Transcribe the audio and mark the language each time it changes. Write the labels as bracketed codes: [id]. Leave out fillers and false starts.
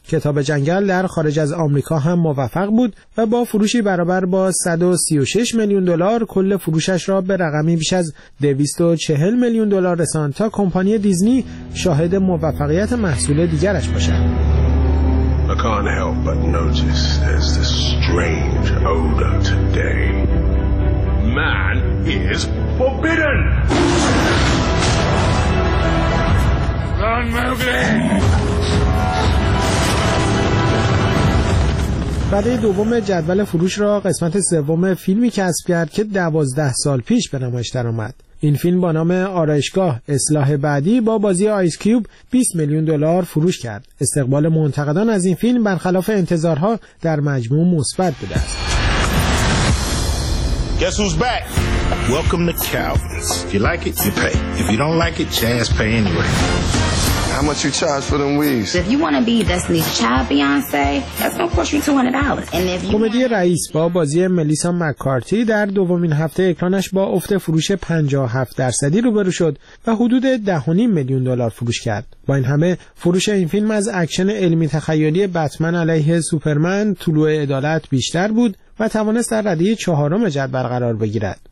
[fa] کتاب جنگل در خارج از آمریکا هم موفق بود و با فروشی برابر با 136 میلیون دلار کل فروشش را به رقمی بیش از 240 میلیون دلار رساند تا کمپانی دیزنی شاهد موفقیت محصول دیگرش باشد. [en] I can't help but notice there's this strange odor today. Man is forbidden! Run, Mowgli! [fa] بعد دوم جدول فروش را قسمت سوم فیلمی کسب کرد که 12 سال پیش به نمایش درآمد. این فیلم با نام آرایشگاه اصلاح بعدی با بازی آیس کیوب 20 میلیون دلار فروش کرد. استقبال منتقدان از این فیلم برخلاف انتظارها در مجموع مثبت بوده است. [en] Guess who's back? Welcome to Calvin's. If you like it, you pay. If you don't like it, just pay anyway. How much you charge for them weaves? If you want to be Destiny's Child Beyonce, that's gonna cost you $200. And if you [fa] کمدی رئیس با بازی ملیسا مک‌کارتی در دومین هفته اکرانش با افت فروش 57% روبرو شد و حدود 10.5 میلیون دلار فروش کرد. با این همه فروش این فیلم از اکشن علمی تخیلی بتمن علیه سوپرمن طلوع عدالت بیشتر بود و توانست در رده 4 جدول قرار بگیرد.